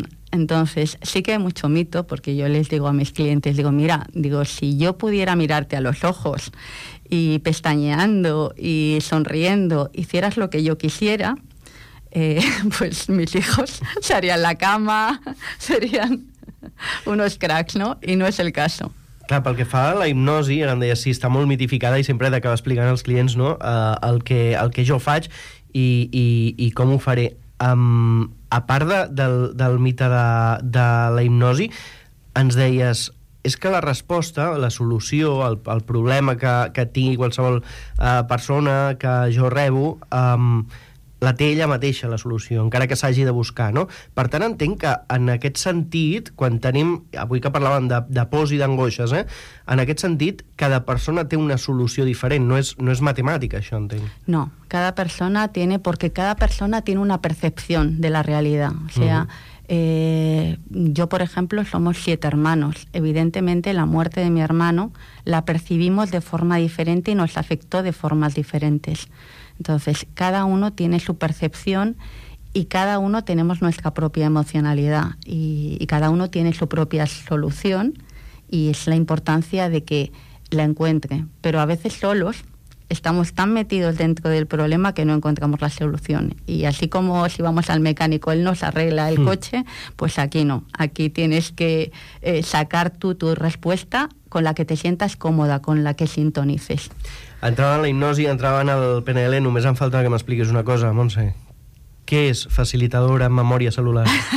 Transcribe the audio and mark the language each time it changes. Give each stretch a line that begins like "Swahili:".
Spanish: Entonces, sí que hay mucho mito, porque yo les digo a mis clientes, digo, mira, digo, si yo pudiera mirarte a los ojos y pestañeando y sonriendo, hicieras lo que yo quisiera, pues mis hijos se harían la cama, serían unos cracks, ¿no? Y no es el caso.
Catalan: Clar, pel que fa a la hipnosi, ara em deies, sí, està molt mitificada i sempre d'acabar explicant als clients, no?, el que jo faig i com ho faré. A part del mite de la hipnosi, ens deies, és que la resposta, la solució, el problema que tingui qualsevol persona que jo rebo, la té ella mateixa, la solució, encara que s'hagi de buscar, no? Per tant, entenc que en aquest sentit, quan tenim, avui que parlàvem de pors i d'angoixes, en aquest sentit, cada persona té una solució diferent, no és matemàtica, això, entenc.
Spanish: No, cada persona tiene, porque cada persona tiene una percepción de la realidad, o sea, yo, por ejemplo, somos 7 hermanos, evidentemente la muerte de mi hermano la percibimos de forma diferente y nos afectó de formas diferentes. Entonces, cada uno tiene su percepción y cada uno tenemos nuestra propia emocionalidad y cada uno tiene su propia solución y es la importancia de que la encuentre. Pero a veces solos estamos tan metidos dentro del problema que no encontramos la solución. Y así como si vamos al mecánico, él nos arregla el coche, pues aquí no. Aquí tienes que sacar tu respuesta con la que te sientas cómoda, con la que sintonices.
Catalan: Entrava en la hipnosi, entrava en el PNL, només em falta que m'expliquis una cosa, Montse. Què és facilitadora en memòria celular?